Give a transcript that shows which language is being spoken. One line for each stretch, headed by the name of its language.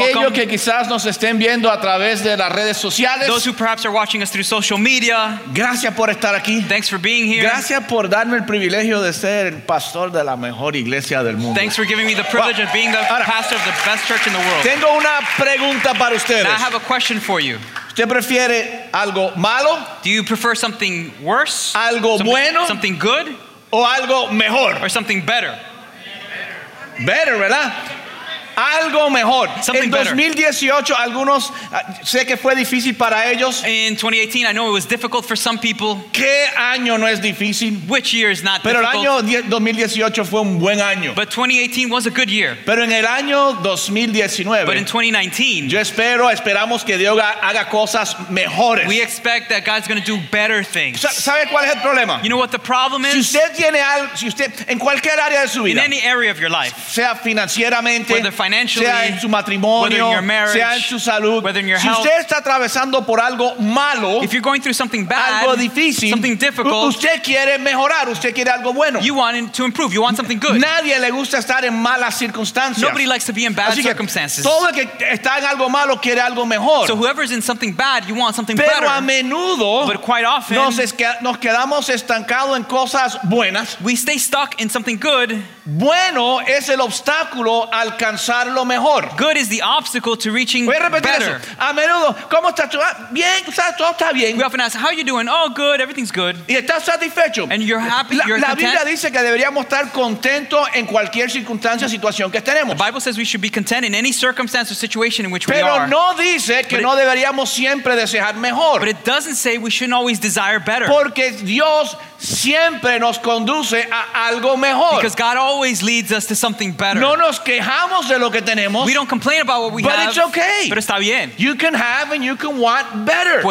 Spanish: Aquellos que quizás nos estén viendo a través de las redes sociales.
English: Those who perhaps are watching us through social media.
Spanish: Gracias por estar aquí.
English: Thanks for being here.
Spanish: Gracias por darme el privilegio de ser el pastor de la mejor iglesia del mundo.
English: Thanks for giving me the privilege of being the pastor of the best church in the world.
Spanish: Tengo una pregunta para ustedes.
English: I have a question for you.
Spanish: ¿Usted prefiere algo malo?
English: Do you prefer something worse?
Spanish: ¿Algo bueno?
English: Something good?
Spanish: ¿O algo mejor?
English: Or something better? Better,
Spanish: ¿verdad? Algo mejor.
English: Something
Spanish: en 2018,
English: better.
Spanish: Algunos sé que fue difícil para ellos.
English: In 2018, I know it was difficult for some people.
Spanish: ¿Qué año no es difícil?
English: Which year is not
Spanish: Pero
English: difficult?
Spanish: Pero el año 2018 fue un buen año.
English: But 2018 was a good year.
Spanish: Pero en el año 2019.
English: But in 2019.
Spanish: Yo espero, esperamos que Dios haga cosas mejores.
English: We expect that God's going to do better things.
Spanish: ¿Sabe cuál es el problema?
English: You know what the problem is?
Spanish: Si usted tiene algo, si usted en cualquier área de su vida.
English: In any area of your life.
Spanish: Sea financieramente.
English: Financially,
Spanish: sea en su matrimonio,
English: whether in your marriage,
Spanish: sea en su salud,
English: whether in your
Spanish: si
English: health,
Spanish: usted está atravesando por algo malo,
English: if you're going through something bad,
Spanish: algo difícil,
English: something difficult,
Spanish: usted quiere mejorar, usted quiere algo bueno.
English: You want to improve, you want something good.
Spanish: Nadie le gusta estar en malas circunstancias.
English: Nobody likes to be in bad
Spanish: Así que,
English: circumstances.
Spanish: Todo el que está en algo malo quiere algo mejor.
English: So whoever's in something bad, you want something
Spanish: Pero
English: better.
Spanish: Pero a menudo,
English: but quite often,
Spanish: nos quedamos estancados en cosas buenas.
English: We stay stuck in something good.
Spanish: Bueno es el obstáculo a alcanzar lo mejor.
English: Good is the obstacle to reaching
Spanish: Voy a repetir
English: better.
Spanish: Eso. A menudo, ¿cómo estás tú? Bien, todo está bien.
English: We often ask, how are you doing? Oh, good, everything's good.
Spanish: Y estás satisfecho.
English: And you're happy, you're
Spanish: La Biblia dice que deberíamos estar contentos en cualquier circunstancia o situación que tenemos.
English: The Bible says we should be content in any circumstance or situation in which
Spanish: Pero
English: we are.
Spanish: Pero no dice que no deberíamos siempre desear mejor.
English: But it doesn't say we shouldn't always desire better.
Spanish: Porque Dios siempre nos conduce a algo mejor.
English: Because God always leads us to something better.
Spanish: No nos quejamos de lo que tenemos.
English: We don't complain about what we but have. But it's okay.
Spanish: Pero está bien.
English: You can have and you can want better.